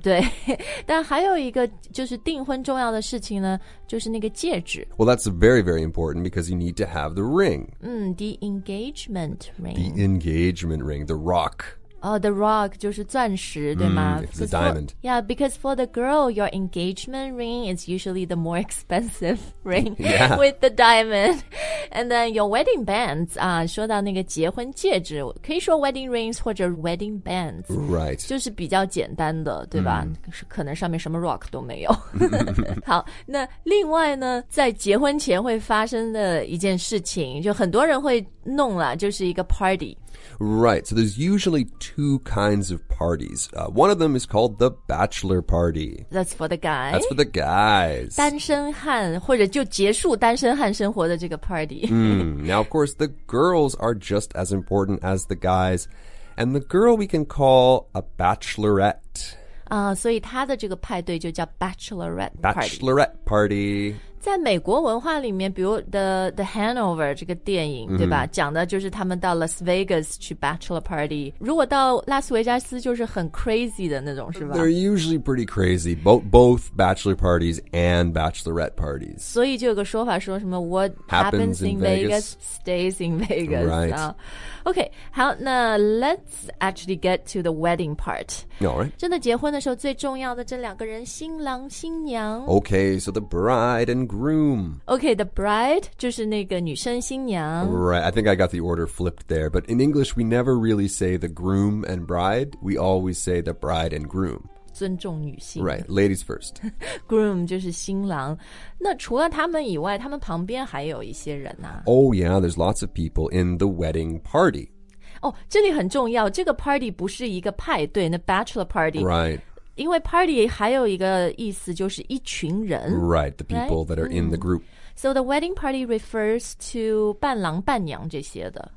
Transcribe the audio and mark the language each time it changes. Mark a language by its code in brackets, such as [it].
[zh] 对，但还有一个就是订婚重要的事情呢，就是那个戒指。 [en] Well, that's very, very important because you need to have the ring. The engagement ring. The engagement ring, the rock. [zh] The rock 就是钻石，对吗？ [en] It's a diamond. Yeah, because for the girl, your engagement ring is usually the more expensive ring with the diamond. And then your wedding bands, [zh] 说到那个结婚戒指，可以说 wedding rings 或者 wedding bands. [en] Right. [zh] 就是比较简单的，对吧？可能上面什么 rock 都没有。好，那另外呢，在结婚前会发生的一件事情，就很多人会弄了，就是一个 party. [en] Right, so there's usually two kinds of parties. One of them is called the bachelor party. That's for the guys. That's for the guys. [zh] 单身汉或者就结束单身汉生活的这个 party. [en] Now, of course, the girls are just as important as the guys. And the girl we can call a bachelorette. [zh] 所以他的这个派对就叫 bachelorette party. [en] Bachelorette party. [zh] 在美国文化里面，比如 the Hanover 这个电影，对吧？讲的就是他们到 Las Vegas 去 bachelor party. 如果到拉斯维加斯就是很 crazy 的那种，是吧？ [en] They're usually pretty crazy, both bachelor parties and bachelorette parties. [zh] 所以就有个说法说什么 what [en] happens in Vegas stays in Vegas. Right. OK, [zh] 好，那 [en] let's actually get to the wedding part. All right. [zh] 真的结婚的时候最重要的这两个人，新郎新娘。 [en] OK, so the bride and groom. [zh] OK, the bride 就是那个女生新娘。 [en] Right, I think I got the order flipped there. But in English, we never really say the groom and bride. We always say the bride and groom. [zh] 尊重女性。 [en] Right, ladies first. [zh] Groom 就是新郎。那除了他们以外，他们旁边还有一些人啊。 [en] Oh yeah, there's lots of people in the wedding party. [zh] 哦，这里很重要，这个 party 不是一个派对，那 bachelor party. [en] Right. [zh] 因为 party 还有一个意思就是一群人。 [en] Right, the people that are in the group. So the wedding party refers to [zh] 伴郎伴娘这些的。